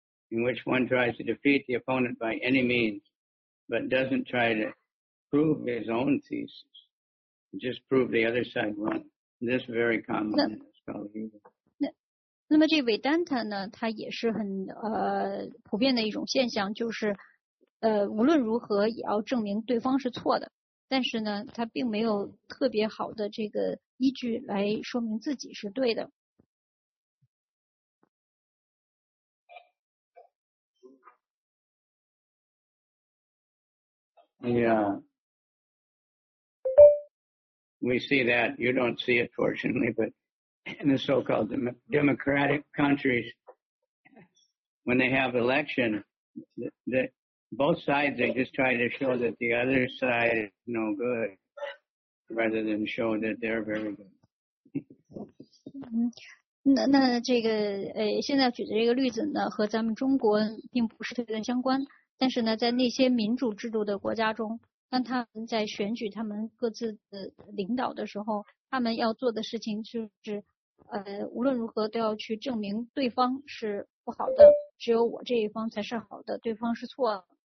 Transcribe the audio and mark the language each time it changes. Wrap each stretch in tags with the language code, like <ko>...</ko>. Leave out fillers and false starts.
<en>In which one tries to defeat the opponent by any means, but doesn't try to prove his own thesis, just prove the other side wrong. This is very common in Kali Yuga.</en> <zh>那么这个Vedanta呢，它也是很普遍的一种现象，就是无论如何也要证明对方是错的，但是呢，它并没有特别好的这个依据来说明自己是对的。</zh> <en>Yeah. We see that. You don't see it, fortunately, but in the so-called democratic countries, when they have election, both sides, they just try to show that the other side is no good, rather than show that they're very good.</en> <zh>那这个现在举的这个例子呢，和咱们中国并不是特别相关。但是呢，在那些民主制度的国家中，当他们在选举他们各自的领导的时候，他们要做的事情就是，无论如何都要去证明对方是不好的，只有我这一方才是好的，对方是错的。</zh>